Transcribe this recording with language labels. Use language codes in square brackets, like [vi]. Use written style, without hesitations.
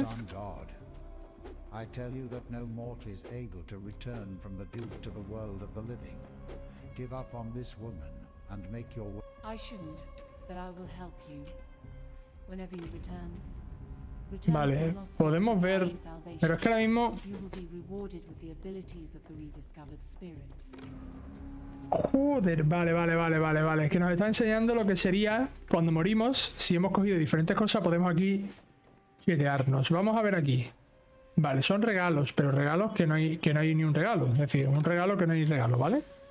[en] Son God, I tell you that no mortal is able to return from the duke to the world of the living. Give up on this woman and make your way. I shouldn't, but I will help you whenever you return. [es] Vale, podemos ver, pero es que ahora mismo [en] you will be rewarded with the abilities of the rediscovered spirits. [es] Joder, vale. Es que nos está enseñando lo que sería cuando morimos. Si hemos cogido diferentes cosas, podemos aquí fietearnos. Vamos a ver aquí. Vale, son regalos, pero regalos que no hay ni un regalo. Es decir, un regalo que no hay regalo, ¿vale?